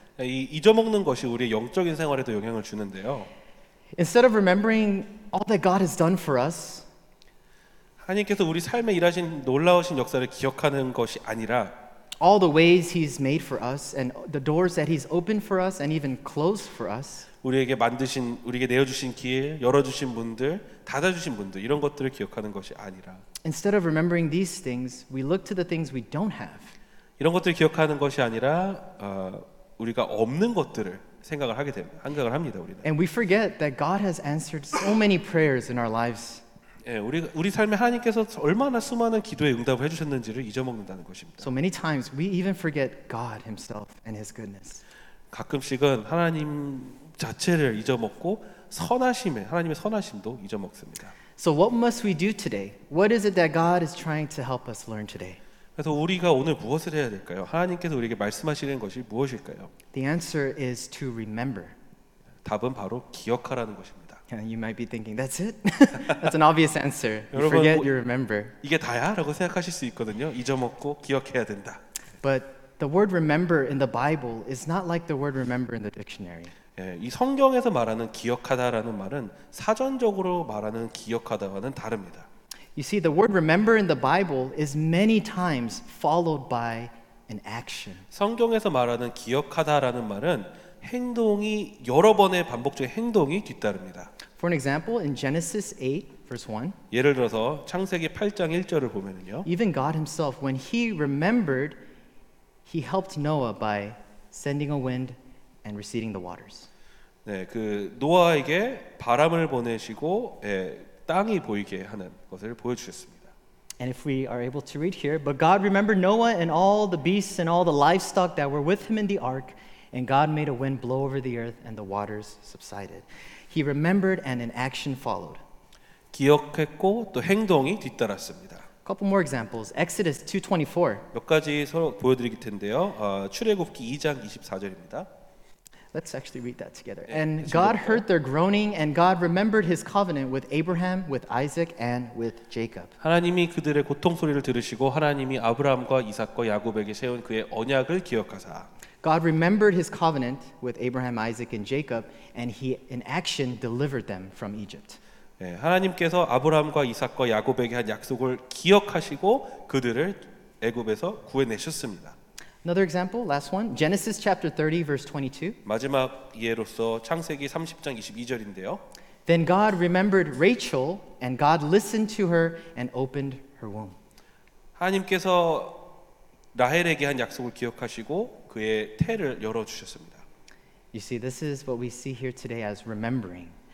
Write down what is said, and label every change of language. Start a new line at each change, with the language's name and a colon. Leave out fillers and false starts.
Korean: 이 잊어먹는 것이 우리의 영적인 생활에도 영향을 주는데요.
English: Instead of remembering all that God has done for us,
Korean: 하나님께서 우리 삶에 일하신 놀라우신 역사를 기억하는 것이 아니라
English: all the ways he's made for us and the doors that he's opened for us and even closed for us
Korean: 우리에게 만드신 우리에게 내어 주신 길, 열어 주신 분들, 닫아 주신 분들 이런 것들을 기억하는 것이 아니라
English: instead of remembering these things we look to the things we don't have
Korean: 이런 것들을 기억하는 것이 아니라 우리가 없는 것들을 생각을 하게 됩니다. 생각을 합니다, 우리는.
English: And we forget that God has answered so many prayers in our lives.
Korean: 예, 우리 삶에 하나님께서 얼마나 수많은 기도에 응답을 해주셨는지를 잊어먹는다는 것입니다.
English: So many times we even forget God Himself and His goodness.
Korean: 가끔씩은 하나님 자체를 잊어먹고 선하심에 하나님의 선하심도 잊어먹습니다.
English: So what must we do today? What is it that God is trying to help us learn today?
Korean: 그래서 우리가 오늘 무엇을 해야 될까요? 하나님께서 우리에게 말씀하시는 것이 무엇일까요?
English: The answer is to remember.
Korean: 답은 바로 기억하라는 것입니다.
English: You might be thinking, that's it? That's an obvious answer. You
Korean: 여러분,
English: forget, you remember.
Korean: 이게 다야? 라고 생각하실 수 있거든요. 잊어먹고 기억해야 된다.
English: But the word remember in the Bible is not like the word remember in the dictionary.
Korean: 예, 이 성경에서 말하는 기억하다라는 말은 사전적으로 말하는 기억하다와는 다릅니다.
English: You see, the word remember in the Bible is many times followed by an action.
Korean: 성경에서 말하는 기억하다라는 말은 행동이 여러 번의 반복적인 행동이 뒤따릅니다.
English: For an example, in Genesis 8, verse 1.
Korean: 예를 들어서 창세기 8장 1절을 보면은요.
English: Even God Himself, when He remembered, He helped Noah by sending a wind and receding the waters.
Korean: 네, 그 노아에게 바람을 보내시고 예, 땅이 보이게 하는 것을 보여주셨습니다.
English: And if we are able to read here, but God remembered Noah and all the beasts and all the livestock that were with him in the ark. And God made a wind blow over the earth, and the waters subsided. He remembered, and an action followed.
Korean: 기억했고 또 행동이 뒤따랐습니다.
English: A couple more examples. Exodus 2:24.
Korean: 몇 가지 보여드리기 텐데요. 출애굽기 2장 24절입니다.
English: Let's actually read that together. 네, and God heard their groaning, and God remembered His covenant with Abraham, with Isaac, and with Jacob.
Korean: 하나님이 그들의 고통 소리를 들으시고 하나님이 아브라함과 이삭과 야곱에게 세운 그의 언약을 기억하사.
English: God remembered his covenant with Abraham, Isaac, and Jacob, and he, in action, delivered them from Egypt.
Korean: 예, 하나님께서 아브라함과 이삭과 야곱에게 한 약속을 기억하시고 그들을 애굽에서 구해내셨습니다.
English: Another example, last one. Genesis chapter 30 verse 22.
Korean: 마지막 예로서 창세기 30장 22절인데요.
English: Then God remembered Rachel and God listened to her and opened her womb.
Korean: 하나님께서 라헬에게 한 약속을 기억하시고 그의 태를 열어 주셨습니다.
English: You see, this is what we see here today as remembering.